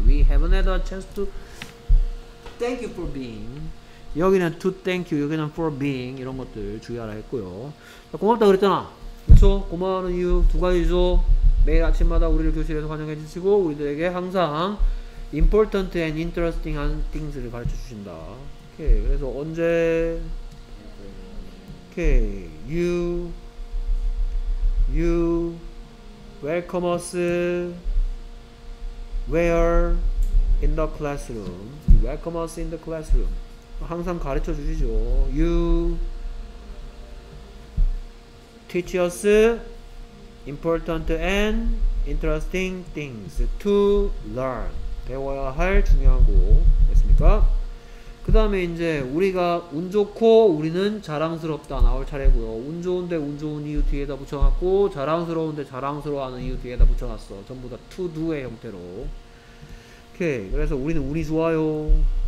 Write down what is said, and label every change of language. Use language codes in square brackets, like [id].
[en] We haven't had a chance to thank you for being. [ko] 여기는 [en] to thank you, [ko] 여기는 [en] for being. [ko] 이런 것들 주의하라 했고요. 자, 고맙다 그랬잖아. 그쵸? 고마워하는 이유 두 가지죠. 매일 아침마다 우리를 교실에서 환영해 주시고 우리들에게 항상 [en] important and interesting things [ko] 를 가르쳐 주신다. [en] 오케이, [ko] 그래서 언제? [en] 오케이, you welcome us where in the classroom. You welcome us in the classroom. [ko] 항상 가르쳐 주시죠. [en] You teach us important and interesting things to learn. [ko] 배워야 할 중요한 거 됐습니까? 그 다음에 이제 우리가 운 좋고 우리는 자랑스럽다 나올 차례고요. 운 좋은데 운 좋은 이유 뒤에다 붙여놨고, 자랑스러운데 자랑스러워하는 이유 뒤에다 붙여놨어. 전부 다 [en] to do [ko] 의 형태로. 오케이, 그래서 우리는 운이 좋아요.